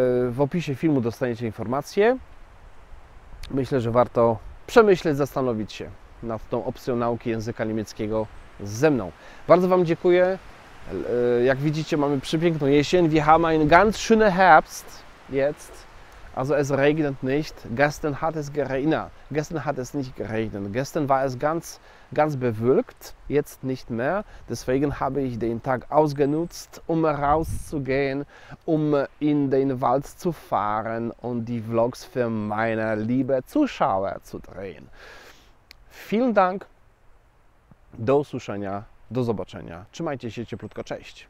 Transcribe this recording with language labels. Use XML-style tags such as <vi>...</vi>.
<pl>W opisie filmu dostaniecie informacje. Myślę, że warto przemyśleć, zastanowić się nad tą opcją nauki języka niemieckiego ze mną. Bardzo Wam dziękuję. Jak widzicie, mamy przepiękną jesień.</pl> <de>Wir haben einen ganz schönen Herbst jetzt. Also es regnet nicht. Gestern hat es geregnet. Gestern hat es nicht geregnet. Gestern war es ganz, ganz bewölkt. Jetzt nicht mehr. Deswegen habe ich den Tag ausgenutzt, um rauszugehen, um in den Wald zu fahren und die Vlogs für meine liebe Zuschauer zu drehen. Vielen Dank.</de> <pl>Do usłyszenia. Do zobaczenia. Trzymajcie się cieplutko. Cześć.</pl>